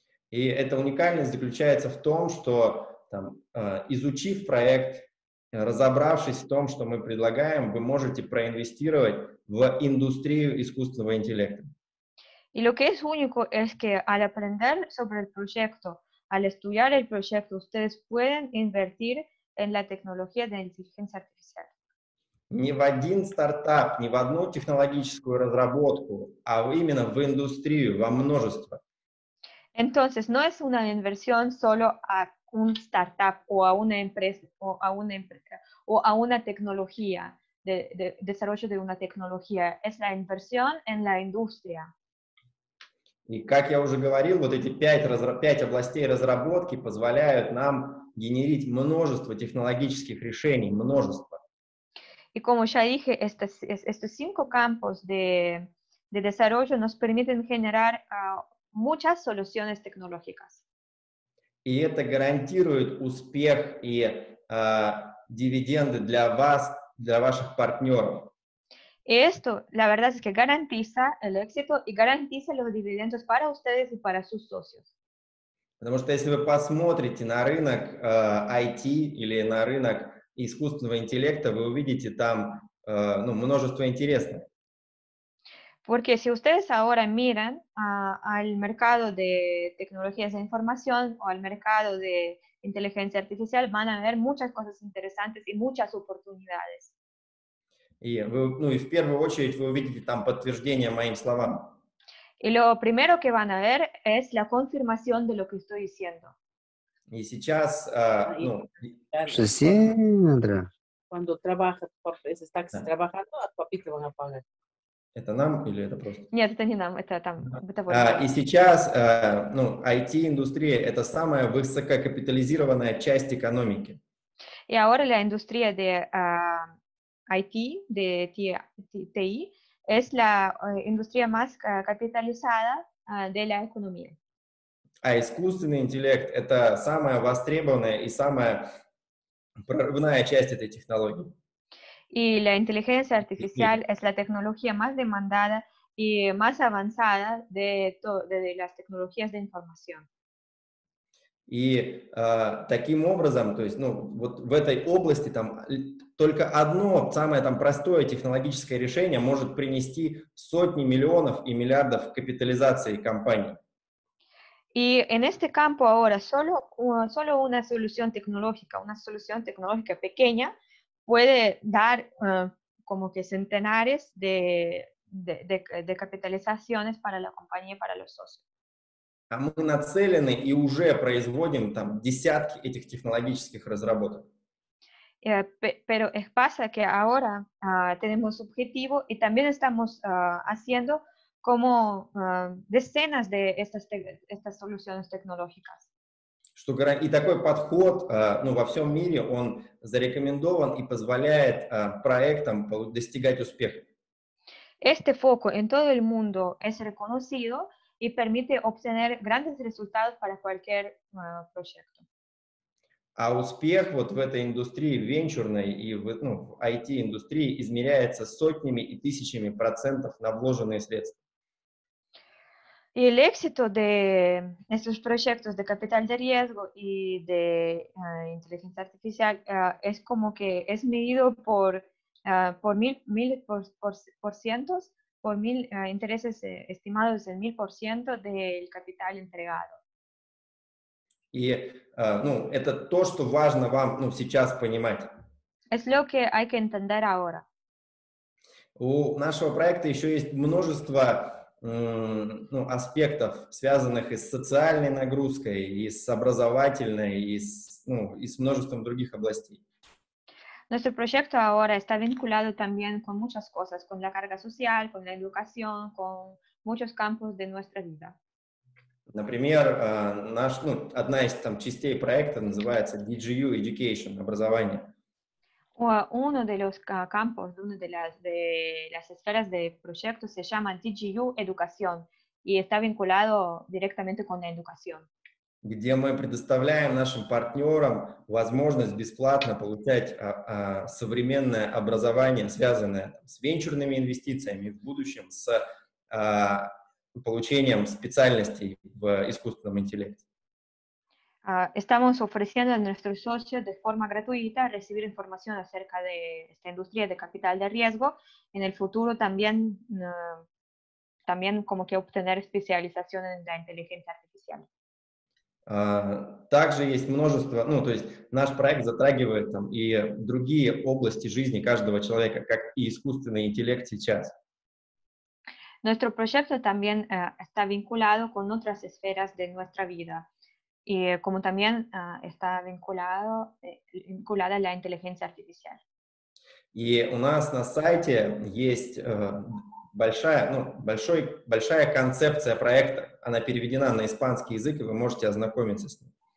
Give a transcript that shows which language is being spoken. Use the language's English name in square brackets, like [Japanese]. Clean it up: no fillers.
[Spanish] Y esta [Russian] уникальность заключается в том, что там, изучив проект, разобравшись в том, что мы предлагаем, вы можете проинвестировать в индустрию искусственного интеллекта. [Spanish] Y lo que es único es que al aprender sobre el proyecto, al estudiar el proyecto, ustedes pueden invertir en la tecnología de inteligencia artificial. [Russian] Ни в один стартап, ни в одну технологическую разработку, а именно в индустрию, во множество. [Spanish] Entonces, no es una inversión solo a un startup o a una empresa o a una empresa o a una tecnología de desarrollo de una tecnología, es la inversión en la industria. [Russian] И как я уже говорил, вот эти пять областей разработки позволяют нам генерить множество технологических решений, множество. И, как я уже сказал, эти пять кампов развития нам позволяют генерировать множество технологических решений. И это гарантирует успех и дивиденды для вас, для ваших партнеров. И это, на самом деле, гарантирует успех и гарантирует дивиденды для вас и для ваших партнеров. Потому что если вы посмотрите на рынок IT или на рынок искусственного интеллекта, вы увидите там ну, множество интересных. [Spanish] Porque si ustedes ahora miran al mercado de tecnologías de información o al mercado de inteligencia artificial, van a ver muchas cosas interesantes y muchas oportunidades. [Russian] И, ну, и в первую очередь вы увидите там подтверждение моим словам. [Spanish] Y lo primero que van a ver es la confirmación de lo que estoy diciendo. [Russian] Y сейчас, ну, [Spanish] Sandra. Cuando trabaja, es está да. Trabajando, a tu papito van a pagar. [Russian] Это нам или это просто? Нет, это не нам, это там. Это вот. И сейчас, ну, IT-индустрия – это самая высококапитализированная часть экономики. [Spanish] И ahora la industria de IT, de TI, es la industria más capitalizada de la economía. [Russian] А искусственный интеллект — это самая востребованная и самая прорывная часть этой технологии. [Spanish] Y la inteligencia artificial es la tecnología más demandada y más avanzada de las tecnologías de información. [Russian] И таким образом, то есть, ну, вот в этой области там только одно самое там простое технологическое решение может принести сотни миллионов и миллиардов капитализации компании. [Spanish] И en este campo ahora solo una solución tecnológica, una solución tecnológica pequeña puede dar como que centenares de capitalizaciones para la compañía y para los socios. [Russian] А мы нацелены и уже производим там десятки этих технологических разработок. [Spanish] Pero pasa que ahora tenemos objetivo y también estamos haciendo como decenas de estas soluciones tecnológicas. [Russian] Что, и такой подход ну, во всем мире, он зарекомендован и позволяет проектам достигать успеха. [Spanish] Este foco en todo el mundo es reconocido y permite obtener grandes resultados para cualquier proyecto. [Russian] А успех вот в этой индустрии венчурной и в, ну, в IT-индустрии измеряется сотнями и тысячами процентов на вложенные средства. [Spanish] И el éxito de estos proyectos de capital de riesgo y de inteligencia artificial es como que es medido por por mil mil por cientos por mil intereses estimados en 1000% del capital entregado. [Russian] И ну, это то, что важно вам, ну, сейчас понимать. [Spanish] Es lo que hay que entender ahora. [Russian] У нашего проекта еще есть множество ну, аспектов, связанных и с социальной нагрузкой, и с образовательной, и с, ну, и с множеством других областей. [Spanish] Nuestro proyecto ahora está vinculado también con muchas cosas, con la carga social, con la educación, con muchos campos de nuestra vida. [Russian] Например, наш, ну, одна из там частей проекта называется DGU Education, образование. [Spanish] Uno de los campos, una de las esferas de proyecto se llama DGU Educación y está vinculado directamente con la educación. [Russian] Где мы предоставляем нашим партнерам возможность бесплатно получать современное образование, связанное с венчурными инвестициями в будущем, с получением специальностей в искусственном интеллекте. [Spanish] Estamos ofreciendo a nuestros socios de forma gratuita recibir información acerca de esta industria de capital de riesgo. En el futuro también, también como que obtener especialización en la inteligencia artificial. [Russian] Также есть множество, ну, то есть наш проект затрагивает там и другие области жизни каждого человека, как и искусственный интеллект сейчас. [Spanish] Nuestro proyecto también está vinculado con otras esferas de nuestra vida, y como también está vinculado, vinculada la inteligencia artificial. [Russian] И у нас на сайте есть большая, ну, большой, большая концепция проекта. Она переведена на испанский язык, и вы можете ознакомиться с ней.